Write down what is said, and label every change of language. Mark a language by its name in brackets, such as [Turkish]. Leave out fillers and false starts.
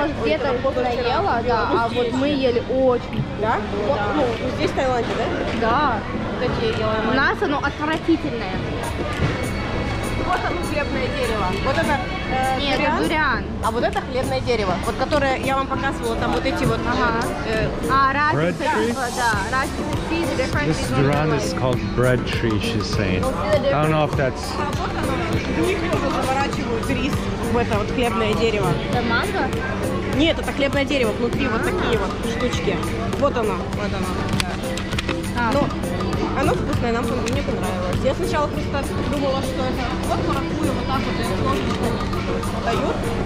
[Russian] Может, где-то кто-то ела, да, а вот мы ели очень. Да? Ну, здесь, в Таиланде, да? Да. У нас оно отвратительное. Вот оно хлебное дерево. Вот это дуриан. А вот это хлебное дерево, вот которое я вам показывала, там вот эти вот. [English] This durian is called bread tree, she's saying. I don't know if that's. [Russian] У них тоже заворачивают рис в это вот хлебное дерево. Это манго? Нет, это хлебное дерево внутри вот такие вот штучки. Вот оно. Вот оно. Ну, Оно вкусное, нам мне понравилось. Я сначала просто думала, что это вот маракуйя, вот так вот ее сложно дают.